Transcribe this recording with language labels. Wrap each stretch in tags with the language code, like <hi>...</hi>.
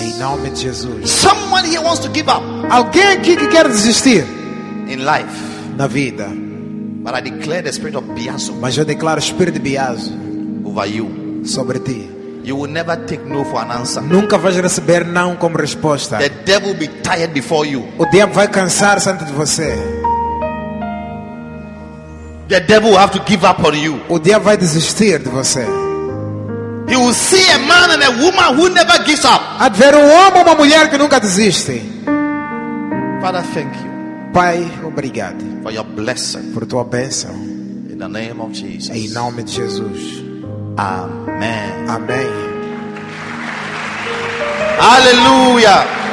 <pt>Em nome de Jesus.</pt> <en>Someone here wants to give up.</en> <pt>Alguém aqui que quer desistir.</pt> <en>In life.</en> <pt>Na vida.</pt> <en>But I declare the spirit of Biazo.</en> <pt>Mas eu declaro o espírito de Biazo.</pt> <en>Over you.</en> <pt>Sobre ti.</pt> <en>You will never take no for an answer.</en> <pt>Nunca vais receber não como resposta.</pt> <en>The devil will be tired before you.</en> <pt>O diabo vai cansar-se antes de você.</pt> <en>The devil will have to give up on you.</en> <pt>O diabo vai desistir de você.</pt> <en>He will see a man and a woman who never gives up.</en> <pt>Há de ver um homem ou uma mulher que nunca desiste.</pt> <en>Father, thank you.</en> <pt>Pai, obrigado.</pt> <en>For your blessing.</en> <pt>Por tua bênção.</pt> <en>In the name of Jesus.</en> <pt>Em nome de Jesus. Amém. Amém. Aleluia.</pt>